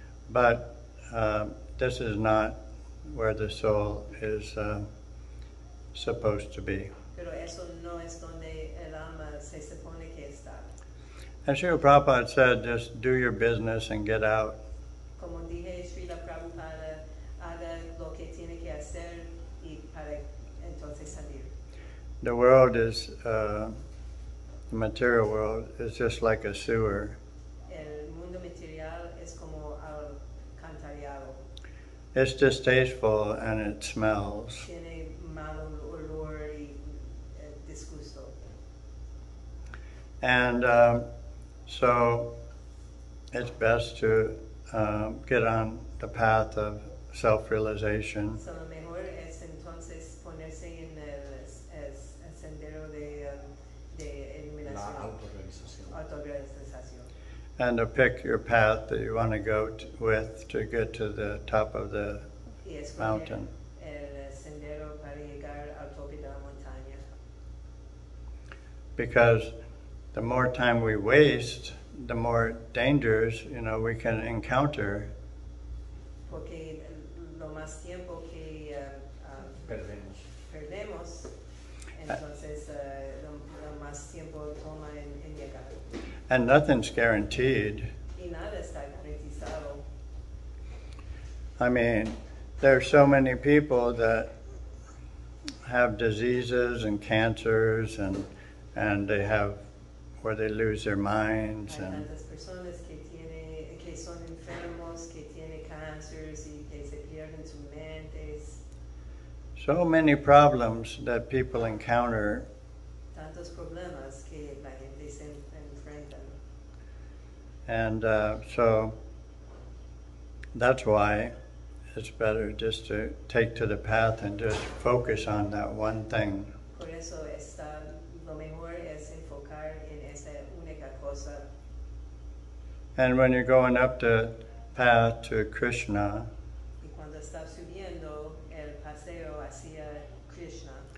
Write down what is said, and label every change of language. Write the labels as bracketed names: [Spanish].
[English] But this is not where the soul is supposed to be. [Spanish] Pero eso no es donde el alma se supone que está. [English] And Srila Prabhupada said, just do your business and get out. [Spanish] Como dije, Srila Prabhupada, haga lo que tiene que hacer y para entonces salir. [English] The world is, the material world, is just like a sewer. [Spanish] El mundo material es como al cantarillado. [English] It's distasteful and it smells. [Spanish] Tiene mal olor y disgusto. [English] And so it's best to get on the path of self-realization. [Spanish] So mejor es entonces ponerse en el sendero de eliminación. La autorrealización. Autorrealización. [English] And to pick your path that you want to go with to get to the top of the mountain. [Spanish] El sendero para llegar al tope de la montaña. [English] Because the more time we waste, the more dangers, you know, we can encounter. [Spanish] Porque lo más tiempo que perdemos, entonces lo más tiempo toma en llegar. [English] And nothing's guaranteed. [Spanish] Y nada está garantizado. [English] I mean, there are so many people that have diseases and cancers and they have where they lose their minds and [Spanish] tantas personas que tiene que son enfermos, que tiene cancers y que se pierden sus mentes. [English] So many problems that people encounter. [Spanish] Tantos problemas que la gente se enfrenta. [English] And so that's why it's better just to take to the path and just focus on that one thing. [Spanish] Por eso está lo mejor es enfocar en esa única cosa. [English] And when you're going up the path to Krishna, [Spanish] y cuando estás subiendo el paseo hacia Krishna,